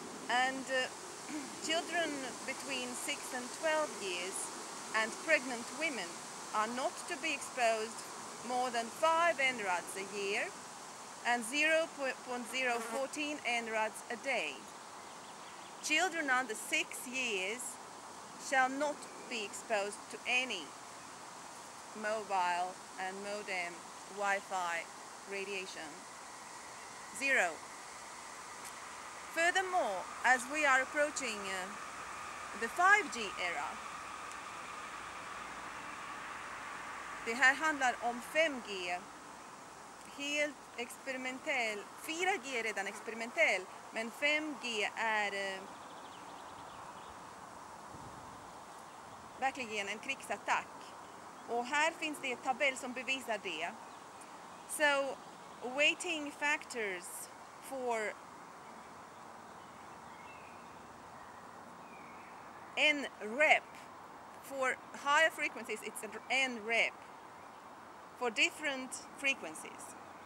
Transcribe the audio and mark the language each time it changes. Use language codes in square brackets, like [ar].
[en] And children between 6 and 12 years and pregnant women are not to be exposed more than 5 NRADs a year and 0.014 NRADs a day. Children under 6 years shall not be exposed to any mobile and modem Wi-Fi radiation. Zero. Furthermore, as we are approaching the 5G era, [sv] det här handlar om 5G, helt experimentell, 4G är redan experimentell, men 5G är verkligen en krigsattack. Och här finns det en tabell som bevisar det. [en] So, weighting factors for NREP, for higher frequencies it's NREP, for different frequencies.